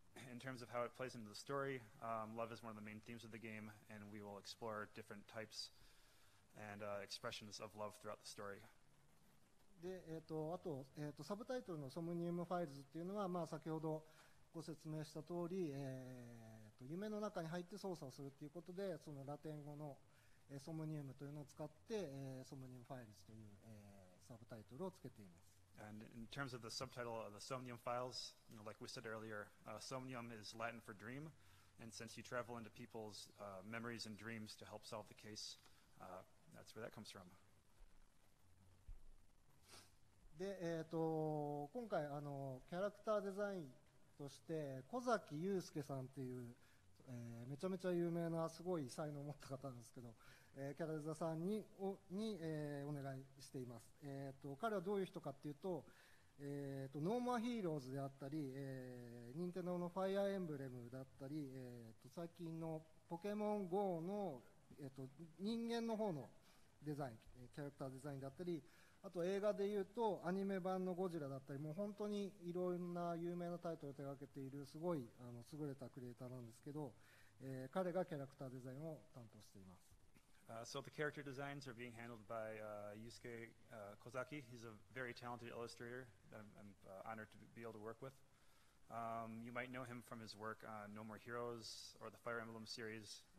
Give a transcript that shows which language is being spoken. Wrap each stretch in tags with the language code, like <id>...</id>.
<en>In terms of how it plays into the story, love is one of the main themes of the game, and we will explore different types and expressions of love throughout the story.</en> <ja>で、あと、サブタイトルのソムニウムファイルズっていうのは、まあ、先ほどご説明した通り、夢の中に入って操作をするということで、そのラテン語のソムニウムというのを使って、ソムニウムファイルズという、サブタイトルをつけています。</ja> <en>And in terms of the subtitle of the Somnium Files, you know, like we said earlier, Somnium is Latin for dream, and since you travel into people's memories and dreams to help solve the case, that's where that comes from.</en> <ja>で、今回あのキャラクターデザインとして小崎雄介さんっていう、めちゃめちゃ有名なすごい才能を持った方なんですけど、キャラデザさんに、お願いしています。彼はどういう人かっていうと、ノーマーヒーローズであったり、ニンテンドーのファイアーエンブレムだったり、最近のポケモン GO の、人間の方のデザイン、キャラクターデザインだったり、あと映画でいうとアニメ版のゴジラだったり、もう本当にいろんな有名なタイトルを手掛けているすごいあの優れたクリエイターなんですけど、彼がキャラクターデザインを担当しています。</ja> <en>So the character designs are being handled by Yusuke Kozaki. He's a very talented illustrator that I'm honored to be able to work with. You might know him from his work on No More Heroes or the Fire Emblem series.</en>